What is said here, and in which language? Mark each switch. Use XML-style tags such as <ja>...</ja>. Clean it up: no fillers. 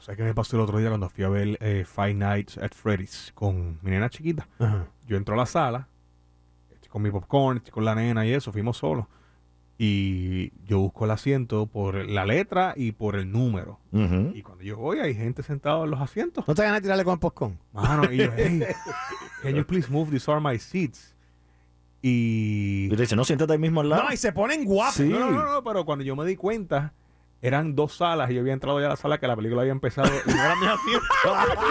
<es>o sea, que me pasó el otro día cuando fui a ver Five Nights at Freddy's con mi nena chiquita. Uh-huh. Yo entro a la sala con mi popcorn, con la nena y eso, fuimos solos. Y yo busco el asiento por la letra y por el número. Uh-huh. Y cuando yo voy, hay gente sentada en los asientos. ¿No te ganas de tirarle con el popcorn? Mano, y yo,</es> <en>hey, can you please move? These are my seats. Y...</en> <es>y te dice, no, siéntate ahí mismo al lado. No, y se ponen guapos. Sí. No, pero cuando yo me di cuenta, eran dos salas y yo había entrado ya a la sala que la película había empezado y no eran mis asientos.</es>